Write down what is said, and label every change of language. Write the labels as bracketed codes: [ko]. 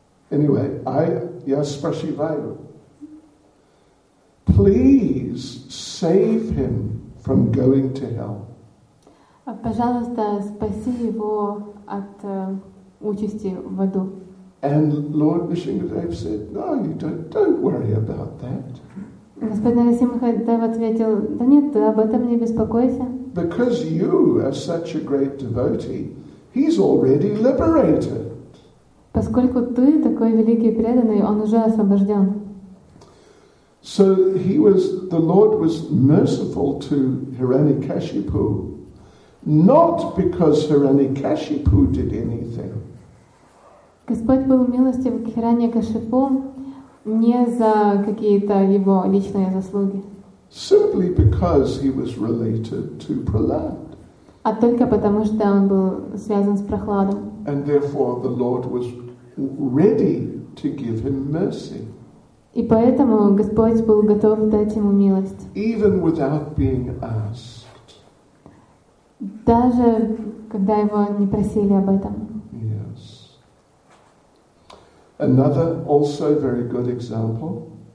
[en] Anyway, [ru] я спрашиваю. [en] Please save him from going to hell. [ru] Пожалуйста, спаси его от участи в аду. [en] And Lord Nishingadev said, no, you don't worry about that. [ru] Господь Нарасимхадев ответил, да нет, ты об этом не беспокойся. [en] Because you are such a great devotee, he's already liberated. [ru] Поскольку ты такой великий преданный, он уже освобожден. [en] So he was, the Lord was merciful to Hiranyakashipu, not because Hiranyakashipu did anything. [ru] Господь был милостив к Хираньякашипу не за какие-то его личные заслуги. [en] Simply because he was related to Prahlad. [ru] А только потому, что он был связан с Прохладом. [en] And therefore the Lord was ready to give him mercy. [ru] И поэтому Господь был готов дать ему милость. [en] Even without being asked. [ru] Даже когда его не просили об этом. [en] Another also very good example.